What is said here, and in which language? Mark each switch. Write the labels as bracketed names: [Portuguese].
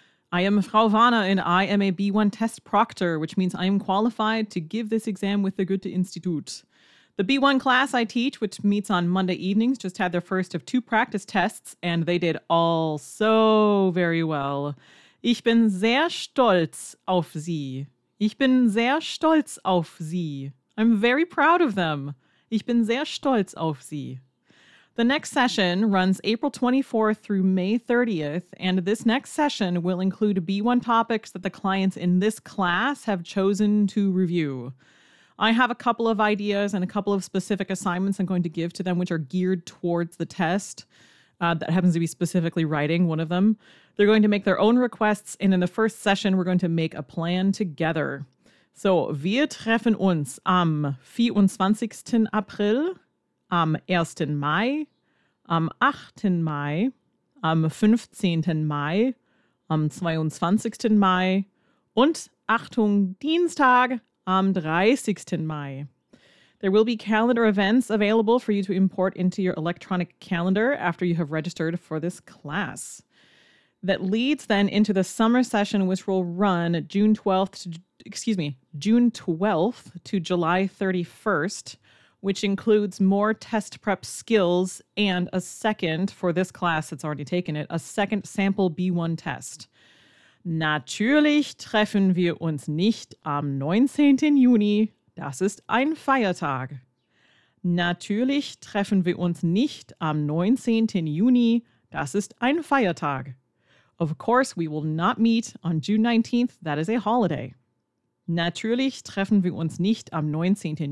[English] I am Frau Vana, and I am a B1 test proctor, which means I am qualified to give this exam with the Goethe-Institut. The B1 class I teach, which meets on Monday evenings, just had their first of two practice tests, and they did all so very well. [German] Ich bin sehr stolz auf sie. Ich bin sehr stolz auf sie. [English] I'm very proud of them. [German] Ich bin sehr stolz auf sie. [English] The next session runs April 24th through May 30th, and this next session will include B1 topics that the clients in this class have chosen to review. I have a couple of ideas and a couple of specific assignments I'm going to give to them, which are geared towards the test. That happens to be specifically writing, one of them. They're going to make their own requests, and in the first session, we're going to make a plan together. [German] So, wir treffen uns am 24. April, am 1. Mai, am 8. Mai, am 15. Mai, am 22. Mai und, Achtung, Dienstag, am 30. Mai. [English] There will be calendar events available for you to import into your electronic calendar after you have registered for this class. That leads then into the summer session, which will run June 12th to July 31st, which includes more test prep skills and a second, for this class that's already taken it, a second sample B1 test. [German] Natürlich treffen wir uns nicht am 19. Juni. Das ist ein Feiertag. Natürlich treffen wir uns nicht am 19. Juni. Das ist ein Feiertag. [English] Of course, we will not meet on June 19th. That is a holiday. [German] Natürlich treffen wir uns nicht am 19.